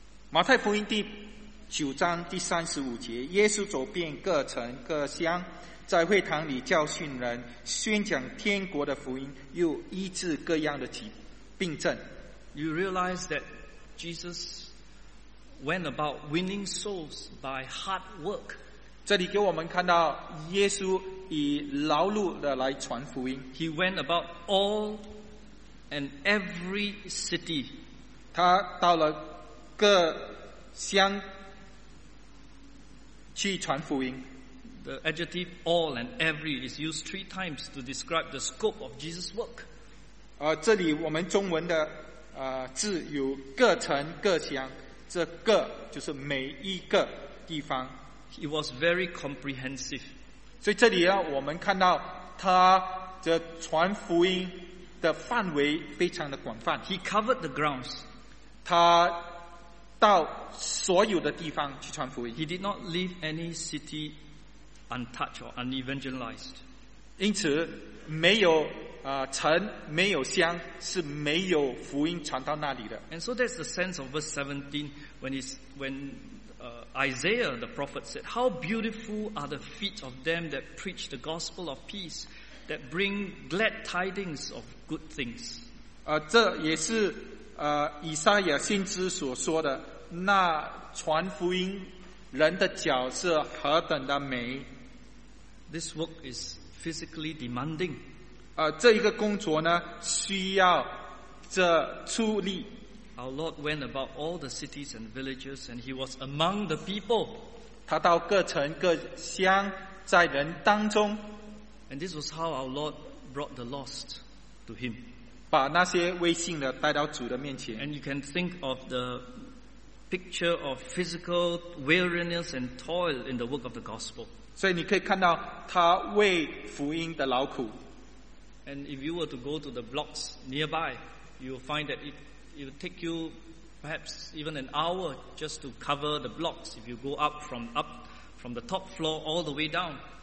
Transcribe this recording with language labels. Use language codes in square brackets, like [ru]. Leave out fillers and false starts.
[zh] 马太福音第九章第35节，耶稣走遍各城各乡，在会堂里教训人，宣讲天国的福音，又医治各样的病症。 [en] You realize that Jesus went about winning souls by hard work. [zh] 这里给我们看到耶稣以劳碌的来传福音。 [en] He went about all and every city. [zh] 他到了各乡去传福音。 [en] The adjective all and every is used three times to describe the scope of Jesus' work. [zh] 这里我们中文的字有各城各乡，这个就是每一个地方。 [en] It was very comprehensive. [zh] 所以这里我们看到他的传福音的范围非常的广泛。 [en] He covered the grounds. [zh] 他到所有的地方去传福音。 [en] He did not leave any city untouched or unevangelized. [zh] 因此没有城没有乡是没有福音传到那里的。 [en] And so that's the sense of verse 17 when Isaiah the prophet said, "How beautiful are the feet of them that preach the gospel of peace, that bring glad tidings of good things." [zh] 这也是以赛亚先知所说的，那传福音人的脚是何等的美。 [en] This work is physically demanding. [zh] 这一个工作呢，需要这出力。 [en] Our Lord went about all the cities and villages, and He was among the people. [zh] 他到各城各乡，在人当中。 [en] And this was how our Lord brought the lost to Him. [zh] 把那些未信的带到主的面前。 [en] And you can think of the picture of physical weariness and toil in the work of the gospel. [zh] 所以你可以看到他为福音的劳苦。 [en] And if you were to go to the blocks nearby, you will find that it would take you perhaps even an hour just to cover the blocks if you go up from the top floor all the way down.